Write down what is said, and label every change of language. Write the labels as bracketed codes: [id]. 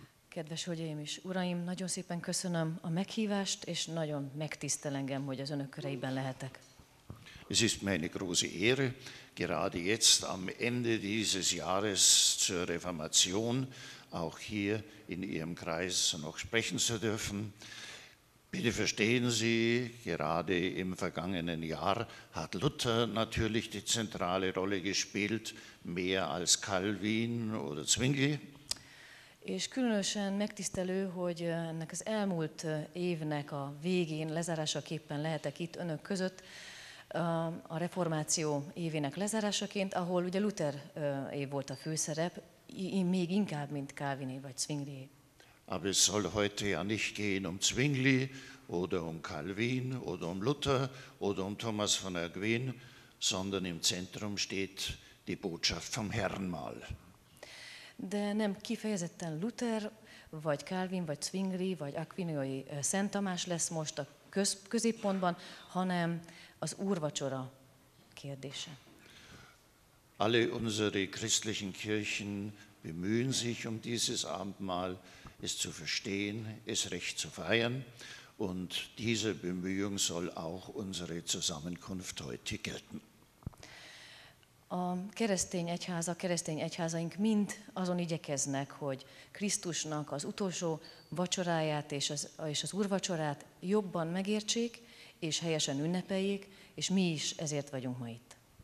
[hu] Kedves hölgyeim és uraim, nagyon szépen köszönöm a meghívást, és nagyon megtisztel engem, hogy az önök köreiben lehetek. [de] Es ist meine große Ehre, gerade jetzt am Ende dieses Jahres zur Reformation auch hier in Ihrem Kreis noch sprechen zu dürfen. Bitte verstehen Sie, gerade im vergangenen Jahr hat Luther natürlich die zentrale Rolle gespielt, mehr als Calvin oder Zwingli. [hu] És különösen megtisztelő, hogy ennek az elmúlt évnek a végén lezárásaképpen lehetek itt önök között, a reformáció évének lezárásaként, ahol ugye Luther év volt a főszerep, még inkább, mint Calviné vagy Zwinglié. [de] Aber es soll heute ja nicht gehen Zwingli, oder Calvin, oder Luther, oder Thomas von Aquin, sondern im Zentrum steht die Botschaft vom Herrnmal. [hu] De nem kifejezetten Luther, vagy Calvin, vagy Zwingli, vagy Aquinoi Szent Tamás lesz most a középpontban, hanem az úrvacsora kérdése. [de] Alle unsere christlichen Kirchen bemühen sich um dieses Abendmahl, es zu verstehen, es recht zu feiern. Und diese Bemühung soll auch unsere Zusammenkunft heute gelten. [hu] A keresztény egyháza, keresztény egyházaink mind azon igyekeznek, hogy Krisztusnak az utolsó vacsoráját és az úrvacsorát jobban megértsék, és helyesen ünnepeljék, és mi is ezért vagyunk ma itt.